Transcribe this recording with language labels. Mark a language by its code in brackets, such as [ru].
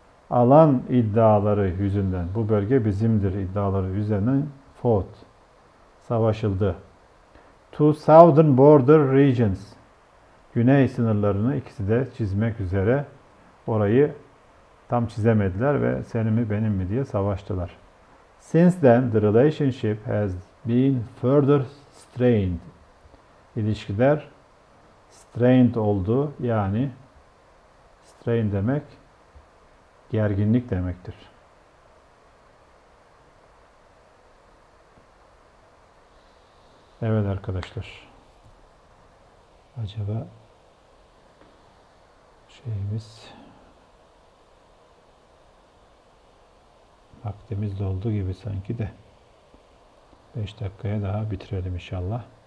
[tr] Alan iddiaları yüzünden, bu bölge bizimdir iddiaları üzerinden, fought, savaşıldı. To southern border regions, güney sınırlarını ikisi de çizmek üzere, orayı tam çizemediler ve senin mi benim mi diye savaştılar. [en] Since then the relationship has been further strained. [tr] İlişkiler strained oldu, yani strain demek gerginlik demektir. Evet arkadaşlar, acaba şeyimiz, vaktimiz doldu gibi sanki de, 5 dakikaya daha bitirelim inşallah.